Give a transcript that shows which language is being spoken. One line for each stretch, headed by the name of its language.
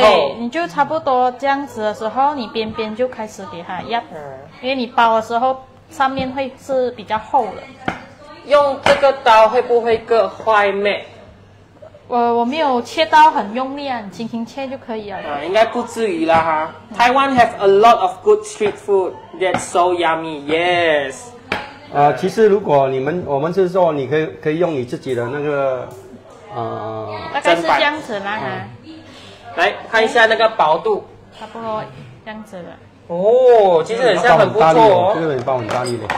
Chinese: 对，你就差不多这样子的时候你边边就开始给它压、嗯、因为你包的时候上面会是比较厚的。用这个刀会不会割坏面？我没有切刀很用力啊，你轻轻切就可以了。啊，应该不至于啦哈。
English: Taiwan have a lot of good street food that's so yummy. Yes.
Chinese: 其实如果你们，我们是说，你可以用你自己的那个，大概是这样子啦哈、嗯。来看一下那个薄度，差不多这样子的。哦，其实很像，很不错哦。这个你包很大力的。